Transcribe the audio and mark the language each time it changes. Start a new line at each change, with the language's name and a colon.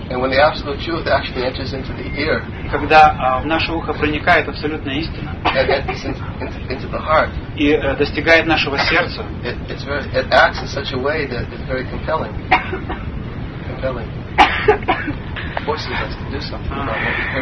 English: And when the absolute truth actually enters into the ear,
Russian: когда в наше ухо проникает абсолютная истина,
English: into the heart,
Russian: и достигает нашего сердца,
English: it acts in such a way that it's very compelling. Compelling. Forces us to do something about what we're